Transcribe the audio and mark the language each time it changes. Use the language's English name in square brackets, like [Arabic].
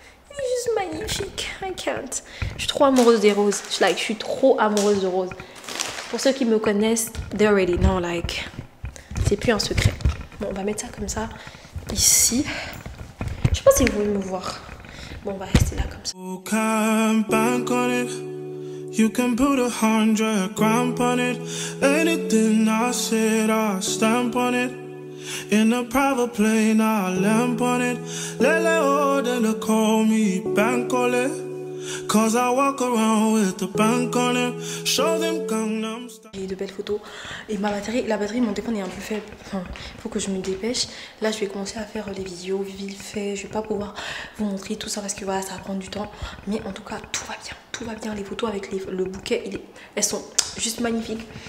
[French] Il est juste magnifique. [English] I can't. [French] Je suis trop amoureuse des roses. Like, je suis trop amoureuse de roses. Pour ceux qui me connaissent, [English] they already know, like... [French] C'est plus un secret. Bon, on va mettre ça comme ça, ici. Je sais pas si vous voulez me voir. Bon, on va rester là comme ça. [English] You can bank on it. You can put a hundred grand on it. Anything I said, I stamp on it. In a private plane, I lamp on it. Lele Oden, they call me bank on it. Cause I walk around with the bank on it. Show them Gangnam [French] Style. J'ai de belles photos. Et ma batterie, la batterie de mon téléphone est un peu faible. Enfin, faut que je me dépêche. Là, je vais commencer à faire les vidéos vite fait. Je vais pas pouvoir vous montrer tout ça parce que voilà, ça va prendre du temps. Mais en tout cas, tout va bien. Tout va bien. Les photos avec le bouquet, elles sont juste magnifiques.